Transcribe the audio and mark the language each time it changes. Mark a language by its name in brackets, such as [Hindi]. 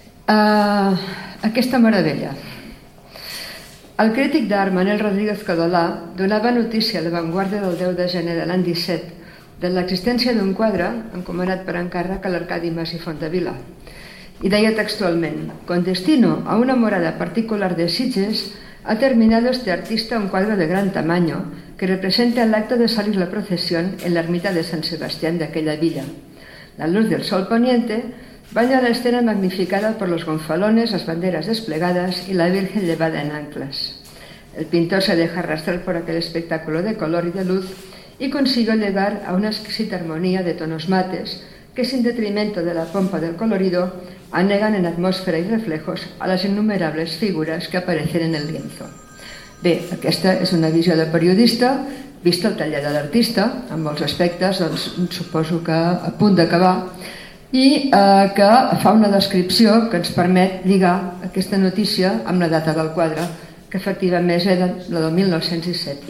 [Catalan] Aquesta meravella. El crític d'art Manel Rodríguez Codolà donava notícia a La Vanguardia del 10 de gener de l'any 17 de l'existència d'un quadre encomanat per encàrrec a l'Arcadi Mas i Font de Vila. [Spanish] Y de ahí textualmente, con destino a una morada particular de Sitges, ha terminado este artista un cuadro de gran tamaño que representa el acto de salir la procesión en la ermita de San Sebastián de aquella villa. La luz del sol poniente baña la escena magnificada por los gonfalones, las banderas desplegadas y la Virgen llevada en anclas. El pintor se deja arrastrar por aquel espectáculo de color y de luz y consigue llegar a una exquisita armonía de tonos mates que, sin detrimento de la pompa del colorido, anegan en atmósfera y reflejos a las innumerables figuras que aparecen en el lienzo. [Catalan] Bé, aquesta és una visió de periodista, vista el taller de l'artista, en molts aspectes, doncs, suposo que a punt d'acabar, i que fa una descripció que ens permet lligar aquesta notícia amb la data del quadre, que efectivament és la del 1917.